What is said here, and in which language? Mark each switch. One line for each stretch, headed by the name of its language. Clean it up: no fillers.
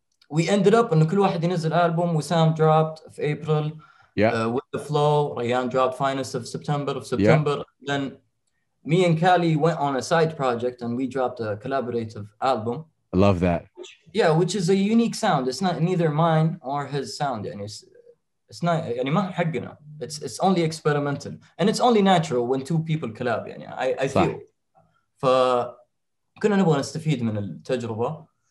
English: We ended up
Arabic: إنه كل واحد ينزل ألبوم, وسام dropped في أبريل.
English: with the flow, Rayan dropped Finest of September. Then me and Cali went on a side project and we dropped a collaborative album. I love that. Which is a unique sound. It's not neither mine or his sound. And it's not,
Arabic: يعني ما حقنا.
English: It's only experimental. And it's only natural when two people collab. يعني I feel.
Arabic: فكنا نبغى نستفيد من التجربة.